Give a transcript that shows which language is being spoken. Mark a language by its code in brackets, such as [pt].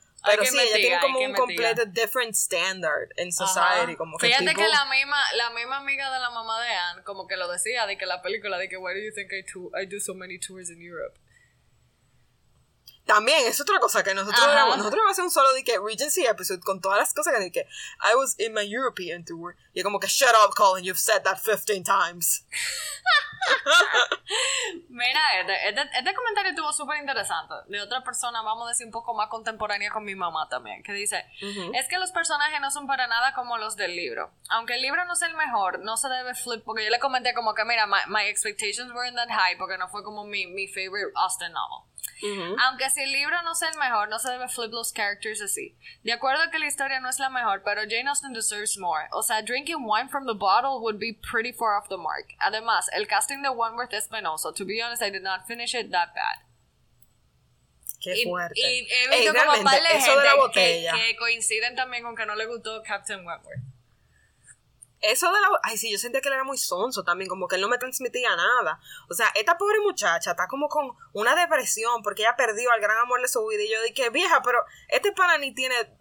[es] Pero sí, ella tiene como un completo [en] different standard in society. [es] Como que fíjate que la misma amiga de la mamá de Anne como que lo decía, de que la película, de que [en] why do you think I do so many tours in Europe? [es] También, es otra cosa que nosotros vamos a hacer un solo de que Regency episode con todas las cosas que dije. [en] I was in my European tour. [es] Y como que, [en] shut up, Colin, you've said that 15 times. [es] Mira, este comentario estuvo súper interesante. De otra persona, vamos a decir, un poco más contemporánea con mi mamá también, que dice, es que los personajes no son para nada como los del libro. Aunque el libro no sea el mejor, no se debe flip, porque yo le comenté como que, mira, [en] my expectations weren't that high, [es] porque no fue como mi [en] favorite Austen novel. [es] Aunque si el libro no sea el mejor, no se debe flip los characters así. De acuerdo que la historia no es la mejor, pero [en] Jane Austen deserves more. [es] O sea, [en] drinking wine from the bottle would be pretty far off the mark. [es] Además, el casting de Wentworth es penoso. [en] To be honest, I did not finish it that bad. [es] Qué fuerte. Y he visto como un par de gente que coinciden también con que no le gustó Captain Wentworth. Eso de la... Ay, sí, yo sentía que él era muy sonso también, como que él no me transmitía nada. O sea, esta pobre muchacha está como con una depresión porque ella perdió al gran amor de su vida. Y yo dije, vieja, pero este pana ni tiene...